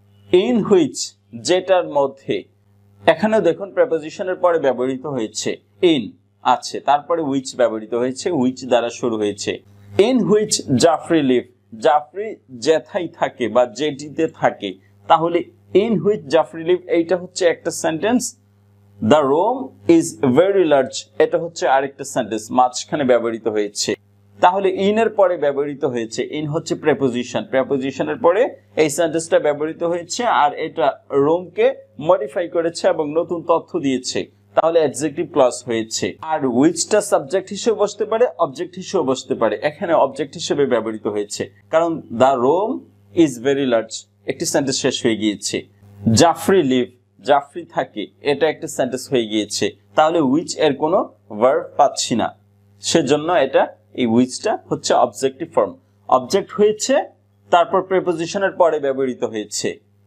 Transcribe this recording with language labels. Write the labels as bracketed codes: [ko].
[bn] In which, যেটার মধ্যে, এখানে দেখুন প্রেপোজিশনের পরে ব্যবহৃত হয়েছে, ইন আছে, তারপরে হুইচ ব্যবহৃত হয়েছে, হুইচ দ্বারা শুরু হয়েছে, [en] in which Jafri live, [bn] Jafri যেথাই থাকে বা যেটিতে থাকে, তাহলে [en] in which Jafri lived, [bn] এটা হচ্ছে একটা sentence. [en] The room is very large, [bn] এটা হচ্ছে আরেকটা sentence. মাঝখানে ব্যবহৃত হয়েছে. তাহলে in এর পরে ব্যবহৃত হয়েছে. In হচ্ছে preposition. Prepositionের পরে এই sentenceটা ব্যবহৃত হয়েছে আর এটা room কে modify করেছে এবং নতুন তথ্য দিয়েছে. তাহলে adjective clause হয়েছে. আর which-টা subject হিসেবে বসতে পারে, object হিসেবে বসতে পারে. এখানে object হিসেবে ব্যবহৃত হয়েছে. কারণ [en] the room is very large. [bn] একটি সেন্টেন্স শেষ হয়ে গিয়েছে. [en] Jafri live, [bn] জাফরি থাকে, এটা একটা সেন্টেন্স হয়ে গিয়েছে. তাহলে which এর কোনো verb পাচ্ছি না, সেজন্য এটা এই which-টা হচ্ছে objective form. Object হয়েছে, তারপর prepositionের পরে ব্যবহৃত হয়েছে.